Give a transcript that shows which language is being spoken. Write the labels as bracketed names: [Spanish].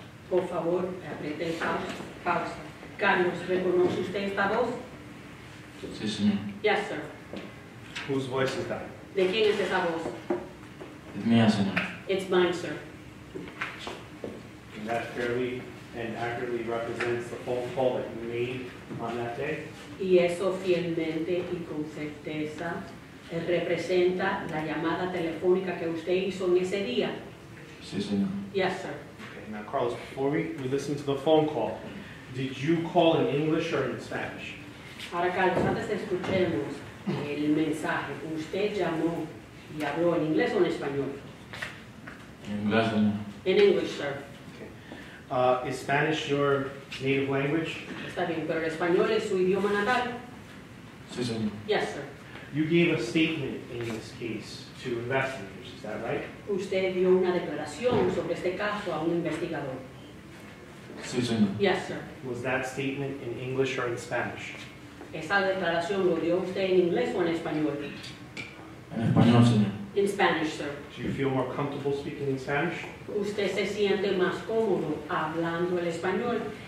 [Spanish] Por favor, apriete pausa. Carlos, ¿reconoce usted esta voz? Sí, señor. [English] Yes, sir. Whose voice is that? [Spanish] ¿De quién es esa voz? It's mía, señor. [English] It's mine, sir. And that fairly and accurately represents the phone call that you made on that day? [Spanish] Y eso fielmente y con certeza representa la llamada telefónica que usted hizo en ese día. Sí, señor. [English] Yes, sir. Now, Carlos, before we listen to the phone call, did you call in English or in Spanish? [Spanish] Ahora, Carlos, antes de escuchemos el mensaje, ¿usted llamó y habló en inglés o en español? En inglés, señor. [English] In English, sir. Okay. Is Spanish your native language? [Spanish] Está bien, pero el español es su idioma natal. Sí, señor. [English] Yes, sir. You gave a statement in this case to investigate. Is that right? [Spanish] Usted dio una declaración sobre este caso a un investigador. Sí, señor. [English] Yes, sir. Was that statement in English or in Spanish? [Spanish] ¿Esa declaración lo dio usted en inglés o en español? En español, señor. [English] In Spanish, sir. Do you feel more comfortable speaking in Spanish? [Spanish] ¿Usted se siente más cómodo hablando el español?